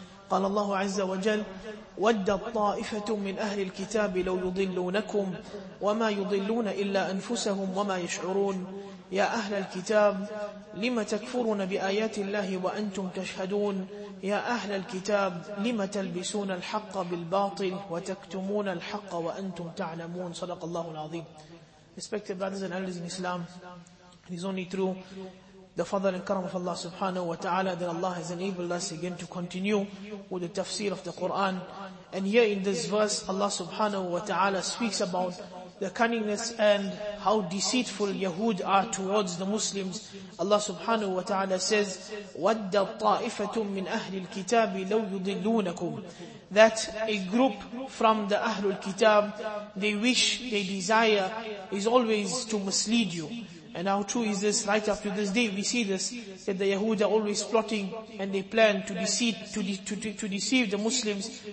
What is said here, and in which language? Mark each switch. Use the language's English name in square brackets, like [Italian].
[Arabic] قال الله عز وجل: ودت طائفة من أهل الكتاب لو يضلونكم وما يضلون إلا أنفسهم وما يشعرون. يا أهل الكتاب لم تكفرون بآيات الله وأنتم تشهدون. يا أهل الكتاب لم تلبسون الحق بالباطل وتكتمون الحق وأنتم تعلمون. صدق الله العظيم. [English] Respected brothers and elders in Islam, it is only through the fadl and karam of Allah subhanahu wa ta'ala that Allah has enabled us again to continue with the tafsir of the Quran. And here in this verse, Allah subhanahu wa ta'ala speaks about the cunningness and how deceitful Yahud are towards the Muslims. Allah subhanahu wa ta'ala says, [Arabic] وَدَّ طَائِفَةٌ مِّنْ أَهْلِ الْكِتَابِ لَوْ يُضِلُّونَكُمْ. [English] That a group from the Ahlul Kitab, they wish, they desire, is always to mislead you. And how true is this? Right up to this day, we see this, that the Yahud are always plotting and they plan to deceive the Muslims.